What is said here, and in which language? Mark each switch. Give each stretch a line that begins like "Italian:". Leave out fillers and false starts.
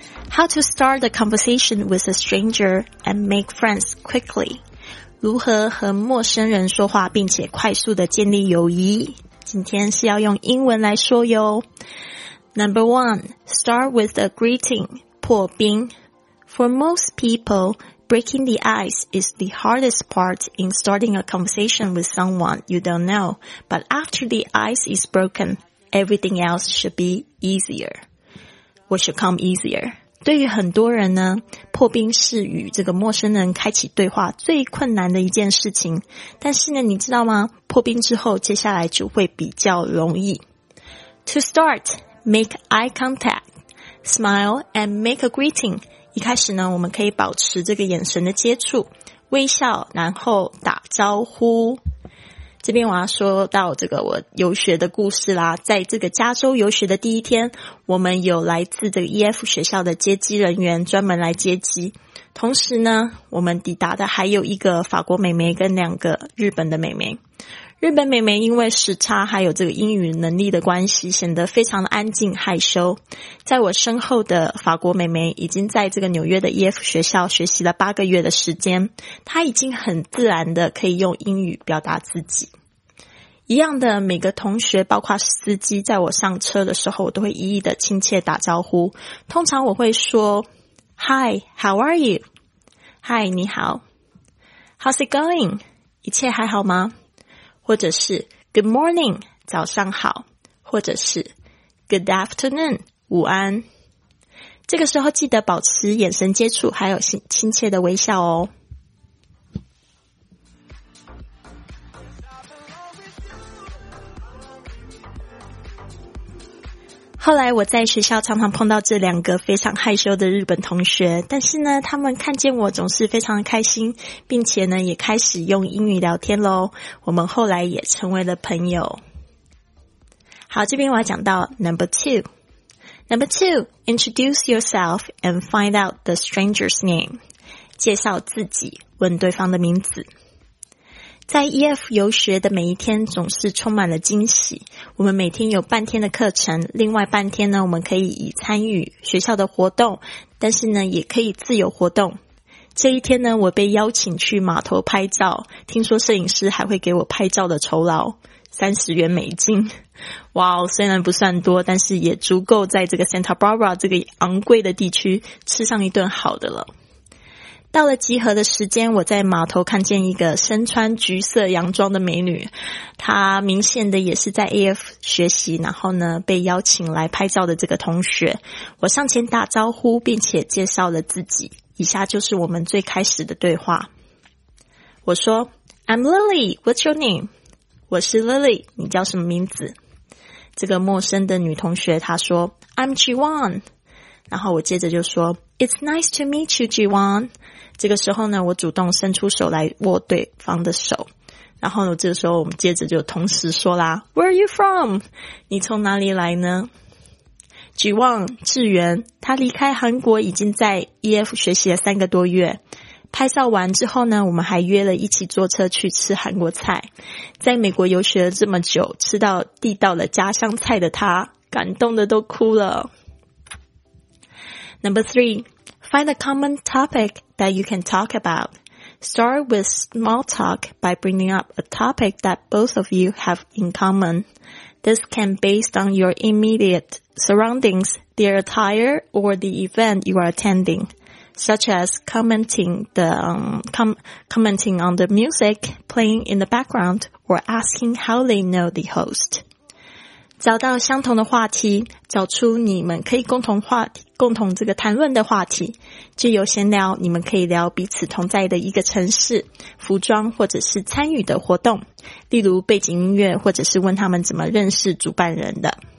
English: How to start a conversation with a stranger and make friends quickly?
Chinese: 如何和陌生人说话并且快速的建立友谊？今天是要用英文来说哟。
English: Number one, start with a greeting,
Chinese: 破冰。
English: For most people,Breaking the ice is the hardest part in starting a conversation with someone you don't know, but after the ice is broken, everything else should be easier. What should come easier?
Chinese: 对于很多人呢，破冰是与这个陌生人开启对话最困难的一件事情。但是呢，你知道吗？破冰之后，接下来就会比较容易。
English: To start, make eye contact, smile and make a greeting.
Chinese: 一开始呢，我们可以保持这个眼神的接触，微笑，然后打招呼。这边我要说到这个我游学的故事啦。在这个加州游学的第一天，我们有来自这个 EF 学校的接机人员专门来接机，同时呢，我们抵达的还有一个法国妹妹跟两个日本的妹妹。日本妹妹因为时差还有这个英语能力的关系，显得非常的安静害羞。在我身后的法国妹妹已经在这个纽约的 EF 学校学习了8个月的时间，她已经很自然的可以用英语表达自己。一样的，每个同学包括司机在我上车的时候，我都会一一的亲切打招呼。通常我会说
English: Hi, how are you? Hi,
Chinese: 你好。
English: How's it going?
Chinese: 一切还好吗？或者是
English: Good morning,
Chinese: 早上好，或者是
English: Good afternoon,
Chinese: 午安。这个时候记得保持眼神接触，还有亲切的微笑哦。后来我在学校常常碰到这两个非常害羞的日本同学，但是呢，他们看见我总是非常的开心，并且呢，也开始用英语聊天咯。我们后来也成为了朋友。好，这边我要讲到
English: number two。 number two, introduce yourself and find out the stranger's name.
Chinese: 介绍自己，问对方的名字。在 EF 游学的每一天总是充满了惊喜，我们每天有半天的课程，另外半天呢，我们可以以参与学校的活动，但是呢，也可以自由活动。这一天呢，我被邀请去码头拍照，听说摄影师还会给我拍照的酬劳30元美金。哇哦，虽然不算多，但是也足够在这个 Santa Barbara 这个昂贵的地区吃上一顿好的了。到了集合的时间，我在码头看见一个身穿橘色洋装的美女，她明显的也是在 AF 学习，然后呢被邀请来拍照的这个同学。我上前打招呼，并且介绍了自己。以下就是我们最开始的对话。我说
English: I'm Lily, what's your name?
Chinese: 我是 Lily, 你叫什么名字？这个陌生的女同学她说
English: I'm Jiwon。
Chinese: 然后我接着就说
English: It's nice to meet you, Jiwon.
Chinese: 这个时候呢，我主动伸出手来握对方的手。然后呢，这个时候我们接着就同时说啦
English: Where are you from?
Chinese: 你从哪里来呢？Jiwon, 智源，他离开韩国已经在 EF 学习了3个多月。拍照完之后呢，我们还约了一起坐车去吃韩国菜。在美国游学了这么久，吃到地道的家乡菜的他，感动的都哭了。
English: Number three, find a common topic that you can talk about. Start with small talk by bringing up a topic that both of you have in common. This can be based on your immediate surroundings, their attire, or the event you are attending, such as commenting on the music playing in the background or asking how they know the host.
Chinese: 找到相同的话题，找出你们可以共同这个谈论的话题，藉由闲聊，你们可以聊彼此同在的一个城市、服装或者是参与的活动，例如背景音乐，或者是问他们怎么认识主办人的。